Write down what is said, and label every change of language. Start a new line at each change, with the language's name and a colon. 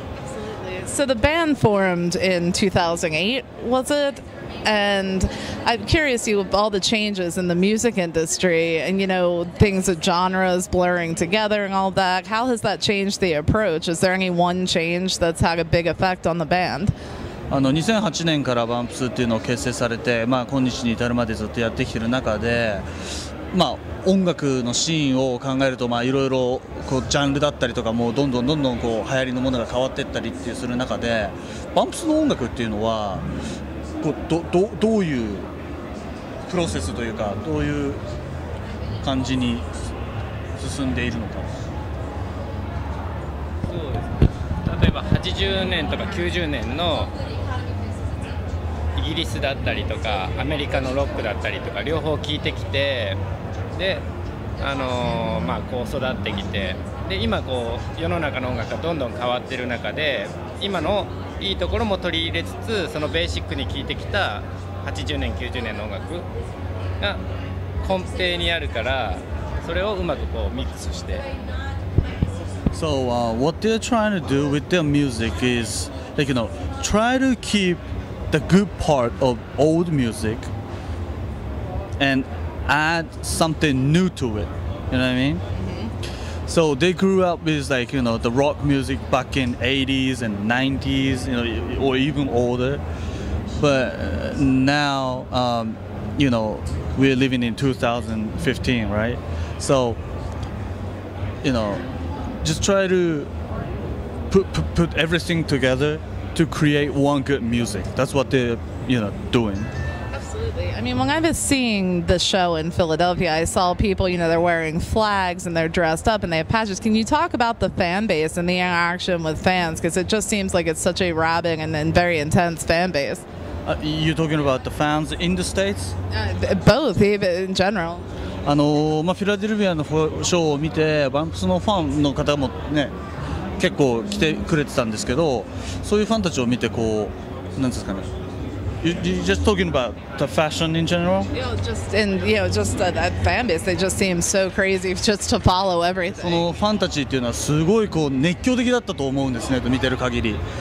English: Absolutely. So the band formed in 2008, was it? And I'm curious, you, with all the changes in the music industry and, you know, things of genres blurring together and all that, how has that changed the approach? Is there any one change that's had a big effect on the band?
Japanese: 2008年から VAMPS っていうのを結成されて、まあ、今日に至るまでずっとやってきてる中で、まあ、音楽のシーンを考えると、いろいろジャンルだったりとかもどんどんどんどんこう流行りのものが変わっていったりっていうする中で、 VAMPS の音楽っていうのはどういうプロセスというか、どういう感じに進んでいるのか。そうですね、例えば80年とか90年のイギリスだったりとかアメリカのロックだったりとか両方聴いてきて、で、まあ、こう育ってきて、で、今こう世の中の音楽がどんどん変わってる中で、今のいいところも取り入れつつ、そのベーシックに聴いてきた80年90年の音楽が根底にあるから、それをうまくこうミックスして。
English: So what they're trying to do with their music is like, you know, try to keep the good part of old music and add something new to it, you know what I mean? So they grew up with, like, you know, the rock music back in 80s and 90s, you know, or even older. But now, you know, we're living in 2015, right? So, you know, just try to put everything together to create one good music. That's what they're, you know, doing. I mean, when I was seeing the show in Philadelphia, I saw people, you know, they're wearing flags and they're dressed up and they have patches. Can you talk about the fan base and the interaction with fans? Because it just seems like it's such a rabid and very intense fan base. You're talking about the fans in the States? Both, even in general.
Japanese: まあ、フィラデルフィアのショーを見て、バンプスのファンの方もね、結構来てくれてたんですけど、そういうファンたちを見てこう、なんですかね?
English: You're just talking about the fashion in general? That fan base, they just seem so crazy just to follow everything.
Japanese: そのファンたちっていうのはすごいこう熱狂的だったと思うんですね、見てる限り。